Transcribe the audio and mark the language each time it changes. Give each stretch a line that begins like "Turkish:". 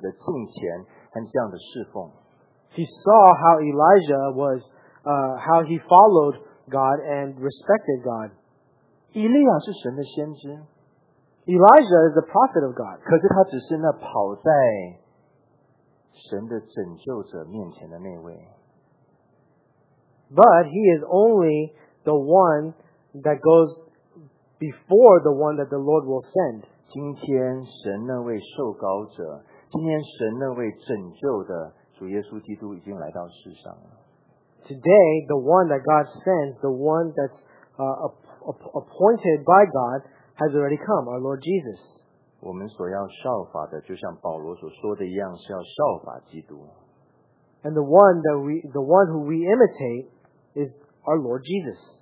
Chinese: 他看到他信心的榜样，他就学习对耶和华神这样子的敬虔和这样的侍奉。
English: He saw how Elijah was, how he followed God and respected God.
Chinese: 以利亚是神的先知。
English: Elijah is the prophet of God.
Chinese: 可是他只是那跑在神的拯救者面前的那位。
English: But he is only the one that goes before the one that the Lord will send.
Chinese: 今天神那位受膏者，今天神那位拯救的主耶稣基督已经来到世上了。
English: Today, the one that God sends, the one that's appointed by God, has already come, our Lord Jesus.
Chinese: 我们所要效法的，就像保罗所说的一样，是要效法基督。
English: And the one that we, the one who we imitate, is our Lord Jesus.